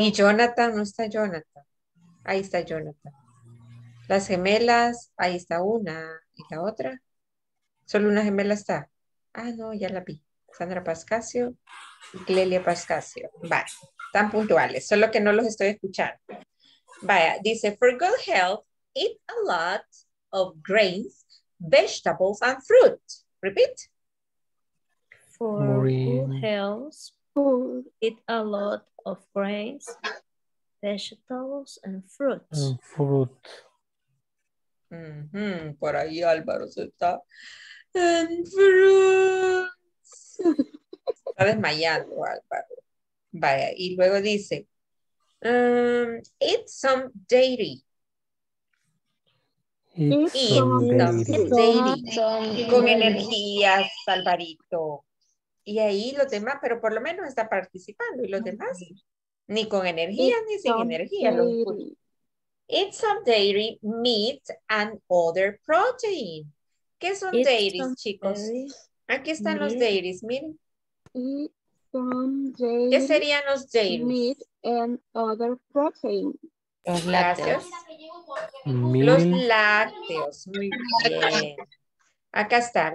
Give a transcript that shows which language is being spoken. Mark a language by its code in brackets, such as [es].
[es] Y Jonathan, no está Jonathan. Ahí está Jonathan. Las gemelas, ahí está una y la otra. Solo una gemela está. Ah, no, ya la vi. Sandra Pascasio y Clelia Pascasio. Vale, están puntuales, solo que no los estoy escuchando. Vaya, dice, [en] for good health, eat a lot of grains, vegetables, and fruit. Repeat. For good health, eat a lot of grains, vegetables, and fruit. Fruit. [es] Mm-hmm. Por ahí Álvaro se está. [en] And fruit. [es] Está desmayando Álvaro. Vaya, y luego dice, [en] eat some dairy. Eat some dairy. [es] Con energía, Alvarito. Y ahí los demás, pero por lo menos está participando. Y los demás, ni con energía, [en] eat [es] ni sin energía. [en] Dairy. Eat some dairy, meat, and other protein. [es] ¿Qué son [en] eat [es] dairies, chicos? [en] Dairy. [es] Aquí están meat. Los dairies, miren. [en] Eat some dairy. [es] ¿Qué serían los dairies? [en] Meat. And other protein. [es] Los lácteos. Los lácteos. Muy bien. Acá está.